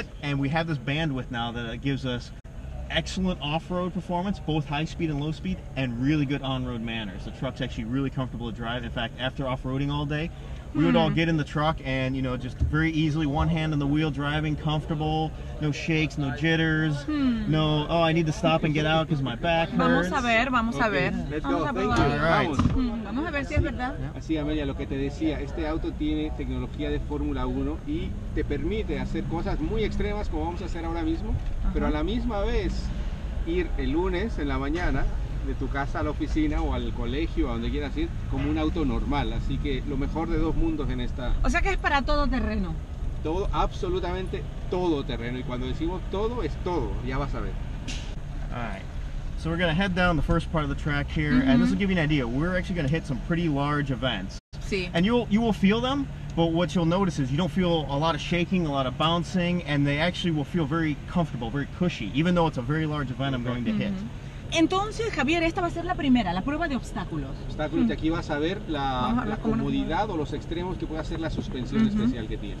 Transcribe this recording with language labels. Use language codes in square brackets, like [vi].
[en] it, and we have this bandwidth now that gives us excellent off-road performance, both high speed and low speed, and really good on-road manners. The truck's actually really comfortable to drive. In fact, after off-roading all day, we would all get in the truck and, you know, just very easily one hand on the wheel driving, comfortable, no shakes, no jitters, no, oh, I need to stop and get out because my back hurts. [es] Vamos a ver, vamos a ver. [en] Okay. Let's go. All right. [es] Vamos a ver si es verdad. Así, Amelia, lo que te decía, este auto tiene tecnología de Fórmula 1 y te permite hacer cosas muy extremas como vamos a hacer ahora mismo, pero a la misma vez ir el lunes en la mañana de tu casa a la oficina o al colegio, a donde quieras ir, como un auto normal. Así que lo mejor de dos mundos en esta. O sea que es para todo terreno. Todo, absolutamente todo terreno. Y cuando decimos todo, es todo. Ya vas a ver. [en] All right. So we're going to head down the first part of the track here. Mm-hmm. And this will give you an idea. We're actually going to hit some pretty large events. [es] Sí. [en] And you will feel them. But what you'll notice is you don't feel a lot of shaking, a lot of bouncing. And they actually will feel very comfortable, very cushy. Even though it's a very large event I'm going to hit. [es] Entonces, Javier, esta va a ser la primera, la prueba de obstáculos. Obstáculos, y aquí vas a ver la comodidad o los extremos que puede hacer la suspensión especial que tiene.